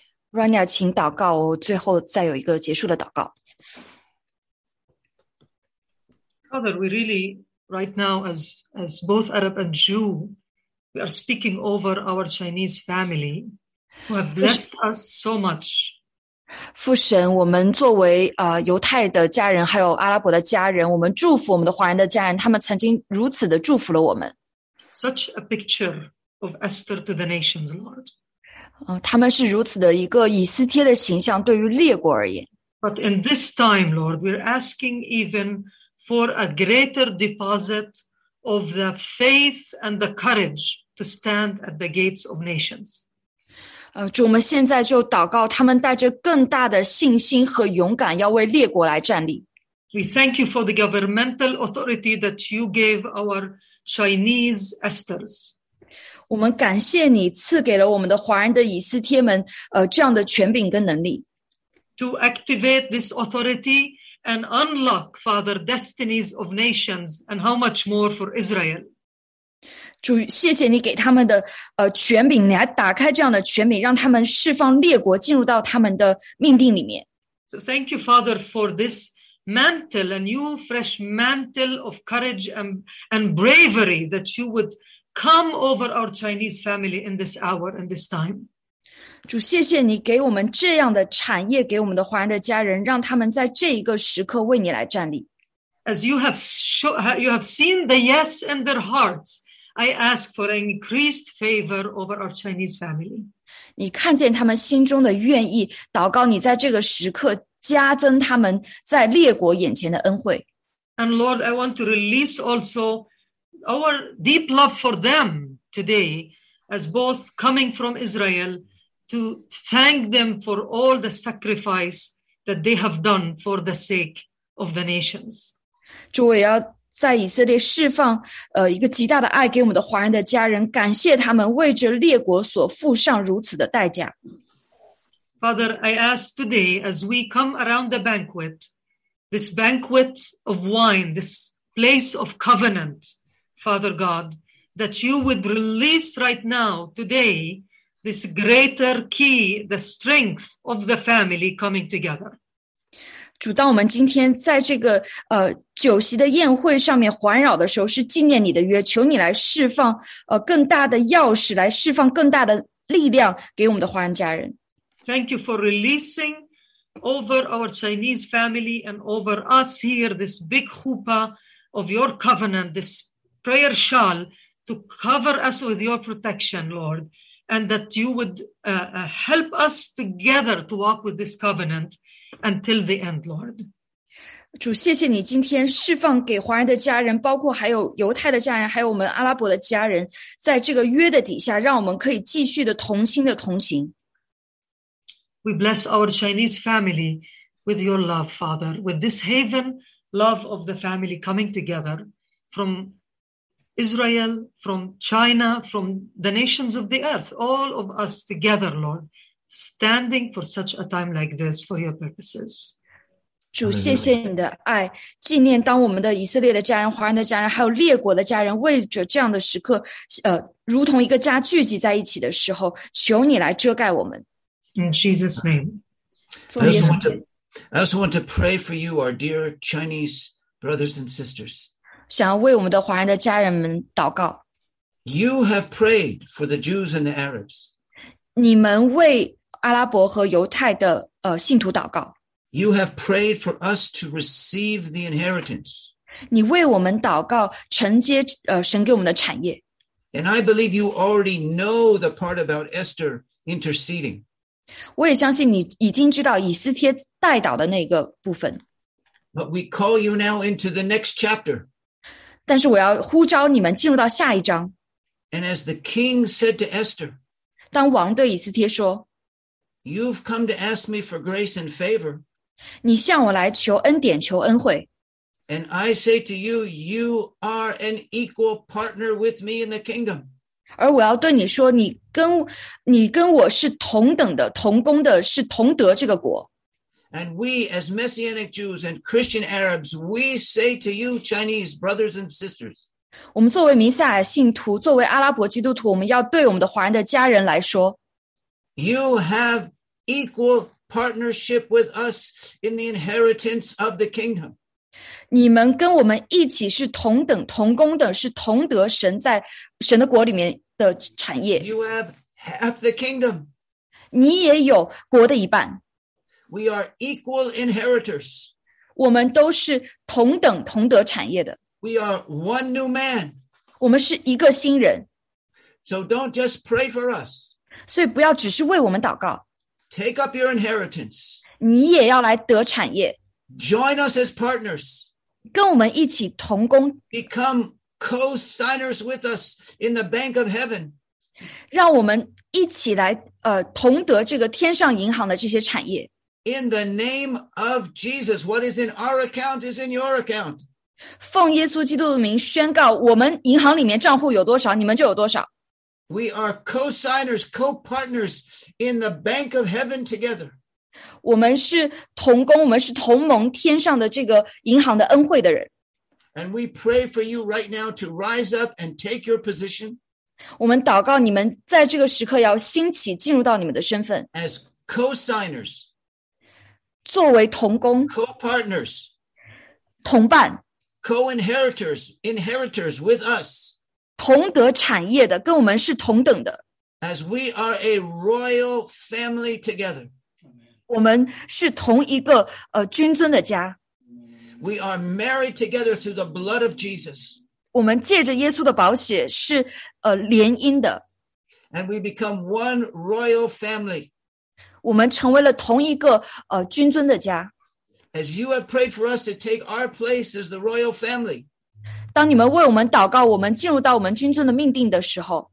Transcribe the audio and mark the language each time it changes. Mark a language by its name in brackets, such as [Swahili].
[Chinese] Rania， 请祷告，我最后再有一个结束的祷告。 [English] Father， we really right now as both Arab and Jew， we are speaking over our Chinese family who have blessed us so much。 [Chinese] 父神，我们作为犹太的家人，还有阿拉伯的家人，我们祝福我们的华人的家人，他们曾经如此的祝福了我们。 [English] Such a picture of Esther to the nations, Lord。 [Chinese] 他们是如此的一个以斯帖的形象对于列国而言。 [English] But in this time, Lord, we're asking even for a greater deposit of the faith and the courage to stand at the gates of nations. [Chinese] 主，我们现在就祷告，他们带着更大的信心和勇敢，要为列国来站立。 [English] We thank you for the governmental authority that you gave our Chinese Esthers. [Chinese] 我们感谢你赐给了我们的华人的以斯帖们这样的权柄跟能力。 [English] To activate this authority and unlock, Father, destinies of nations and how much more for Israel. [Chinese] 主，谢谢你给他们的权柄，你还打开这样的权柄，让他们释放列国进入到他们的命定里面。 [English] So thank you, Father, for this mantle, a new fresh mantle of courage and bravery that you would come over our Chinese family in this hour and this time. [Chinese] 主，谢谢你给我们这样的产业，给我们的华人的家人，让他们在这一个时刻为你来站立。 [English] As you have seen the yes in their hearts, I ask for an increased favor over our Chinese family. [Chinese] 你看见他们心中的愿意，祷告你在这个时刻加增他们在列国眼前的恩惠。 [English] And Lord, I want to release also. Our deep love for them today, as both coming from Israel, to thank them for all the sacrifice that they have done for the sake of the nations. [Chinese] 主，我要在以色列释放一个极大的爱给我们的华人的家人，感谢他们为这列国所付上如此的代价。 [English] Father, I ask today as we come around the banquet, this banquet of wine, this place of covenant, Father God, that you would release right now, today, this greater key, the strength of the family coming together. [Chinese] 主，当我们今天在这个酒席的宴会上面环绕的时候，是纪念你的约，求你来释放更大的钥匙，来释放更大的力量给我们的华人家人。 [English] Thank you for releasing over our Chinese family and over us here this big chuppah of your covenant, this prayer shawl to cover us with your protection, Lord, and that you would help us together to walk with this covenant until the end, Lord. [Chinese] 主，谢谢你今天释放给华人的家人，包括还有犹太的家人，还有我们阿拉伯的家人，在这个约的底下，让我们可以继续的同心的同行。 [English] We bless our Chinese family with your love, Father, with this haven, love of the family coming together from Israel, from China, from the nations of the earth, all of us together, Lord, standing for such a time like this for your purposes. [Chinese] 主，谢谢你的爱，纪念当我们的以色列的家人、华人的家人，还有列国的家人，为着这样的时刻，如同一个家聚集在一起的时候，求你来遮盖我们。 [English] In Jesus' name. I also want to pray for you, our dear Chinese brothers and sisters. [Chinese] 想要为我们的华人的家人们祷告。 [English] You have prayed for the Jews and the Arabs. [Chinese] 你们为阿拉伯和犹太的信徒祷告。 [English] You have prayed for us to receive the inheritance. [Chinese] 你为我们祷告，承接神给我们的产业。 [English] And I believe you already know the part about Esther interceding. [Chinese] 我也相信你已经知道以斯帖代祷的那个部分。 [English] But we call you now into the next chapter. [Chinese] 但是我要呼召你们进入到下一章。 [English] And as the king said to Esther, [Chinese] 当王对以斯帖说， [English] You've come to ask me for grace and favor. [Chinese] 你向我来求恩典，求恩惠。 [English] And I say to you, you are an equal partner with me in the kingdom. [Chinese] 而我要对你说，你跟我是同等的，同工的，是同德这个国。 [English] And we as Messianic Jews and Christian Arabs, we say to you, Chinese brothers and sisters. [Chinese] 我们作为弥赛亚信徒，作为阿拉伯基督徒，我们要对我们的华人的家人来说， [English] You have equal partnership with us in the inheritance of the kingdom. [Chinese] 你们跟我们一起是同等同工的，是同得神在神的国里面的产业。 [English] You have half the kingdom. [Chinese] 你也有国的一半。 [English] We are equal inheritors. [Chinese] 我们都是同等同得产业的。 [English] We are one new man. [Chinese] 我们是一个新人。 [English] So don't just pray for us. [Chinese] 所以不要只是为我们祷告。 [English] Take up your inheritance. [Chinese] 你也要来得产业。 [English] Join us as partners. [Chinese] 跟我们一起同工。 [English] Become co-signers with us in the bank of heaven. [Chinese] 让我们一起来同得这个天上银行的这些产业。 [English] In the name of Jesus, what is in our account is in your account. [Chinese] 奉耶稣基督的名宣告，我们银行里面账户有多少，你们就有多少。 [English] We are co-signers, co-partners in the bank of heaven together. [Chinese] 我们是同工，我们是同盟天上的这个银行的恩惠的人。 [English] And we pray for you right now to rise up and take your position. [Chinese] 我们祷告你们在这个时刻要兴起，进入到你们的身份。 [English] As co-signers, [Chinese] 作为同工 [English] ，co-partners, [Chinese] 同伴 [English] ，co-inheritors with us, [Chinese] 同得产业的，跟我们是同等的。 [English] As we are a royal family together. [Chinese] 我们是同一个君尊的家。 [English] We are married together through the blood of Jesus. [Chinese] 我们借着耶稣的宝血是联姻的。 [English] And we become one royal family. [Chinese] 我们成为了同一个君尊的家。 [English] As you have prayed for us to take our place as the royal family. [Chinese] 当你们为我们祷告，我们进入到我们君尊的命定的时候，